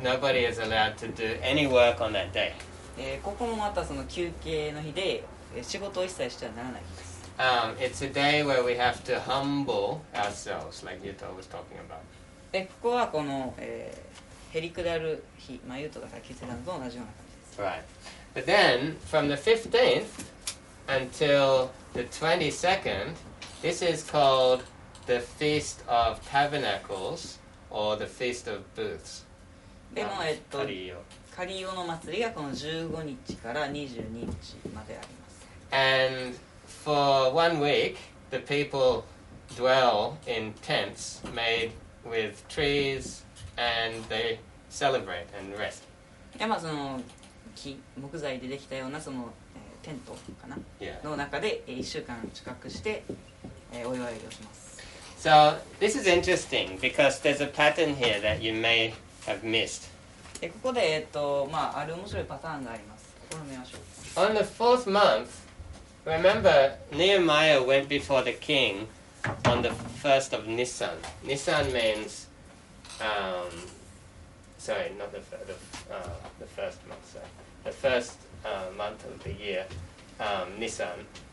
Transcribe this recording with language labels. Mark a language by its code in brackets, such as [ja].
[en] Nobody is allowed to do any work on that day. [ja] ここもまたその休憩の日で、仕事を一切してはならないです。 [en] It's a day where we have to humble ourselves, like Yuta was talking about. [ja] で、ここはこの、へりくだる日、まあ、ユートがさっき言ってたのと同じような感じです。 [en] But then, from the 15th until the 22nd, this is called the Feast of Tabernacles or the Feast of Booths. [ja] でも、カリオの祭りがこの15日から22日まであります。 [en] And for 1 week, the people dwell in tents made with trees, and they celebrate and rest. [ja] まあその木材でできたようなその、テントかな、 yeah. の中で1週間近くして、お祝いをします。 [en] So this is interesting because there's a pattern here that you may have missed. [ja] ここで、まあある面白いパターンがあります。これを見ましょう。 [en] On the fourth month,Remember, Nehemiah went before the king on the 1st of Nisan. Nisan means, the first month of the year, Nisan.